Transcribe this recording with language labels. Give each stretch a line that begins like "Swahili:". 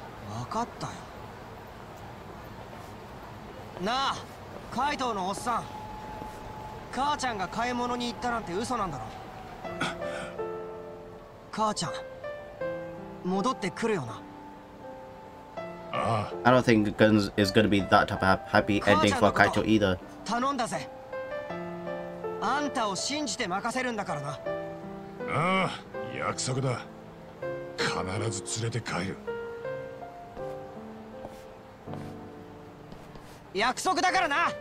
Japanese: わかったよ。なあ、カイトのおっさん。母ちゃんが買い物に行ったなんて嘘なんだろ。母ちゃん、戻ってくるよな。
English: I don't think Guns is going to be that type of happy ending for Kaito either.
Japanese: 頼んだぜ。あんたを信じて任せるんだからな。ああ、約束だ。必ず連れて帰る。約束だからな。